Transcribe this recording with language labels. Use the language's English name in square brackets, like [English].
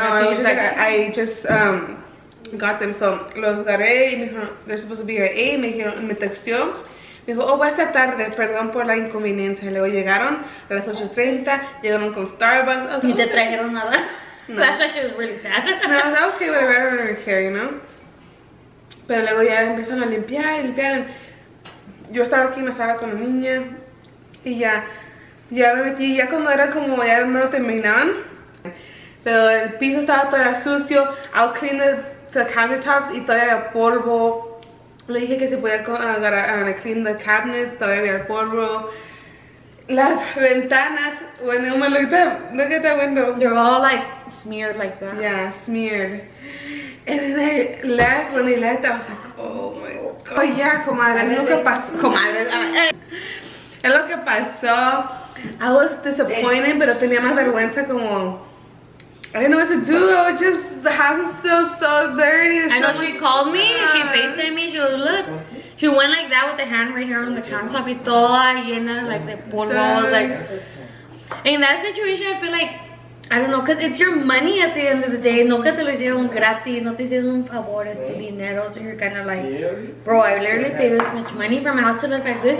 [English] No, I just got them. So, [Spanish] los agarré y me dijeron, [English] they're supposed to be here at 8. [Spanish] Me texteó. Me dijo, oh, voy esta tarde. Perdón por la inconveniencia. Luego llegaron a las 8:30. Llegaron con Starbucks. Ni te trajeron nada. No. [English] That's like, it was really sad. No, I was like, okay, whatever, I don't really care, you know? [Spanish] Pero luego ya empezaron a limpiar y limpiaron. Yo estaba aquí en la sala con la niña. Y ya. Ya me metí, ya cuando era como, ya me lo terminaban. Pero el piso estaba todavía sucio. [English] I'll clean the countertops [Spanish] y todavía había polvo. Le dije que se podía agarrar a [English] clean the cabinet, [Spanish] todavía había polvo. Las ventanas, [English] when you look at that window. They're all like smeared like that. Yeah, smeared. And then I left, when they left, I was like, oh my god. [Spanish] Oh yeah, comadre, es lo que pasó. Comadre, es lo que pasó. [English] I was disappointed, [Spanish] pero tenía más vergüenza, como, [English] I didn't know what to do. I was just, the house is still so dirty. I know, she called me, she FaceTimed me, she was, look. She went like that with the hand right here on the countertop, [Spanish] y toda llena, [English] like, the polvo, like. In that situation, I feel like, I don't know, because it's your money at the end of the day. [Spanish] No que te lo hicieron gratis, no te hicieron un favor, es tu dinero. [English] So you're kind of like, bro, I literally paid this much money for my house to look like this.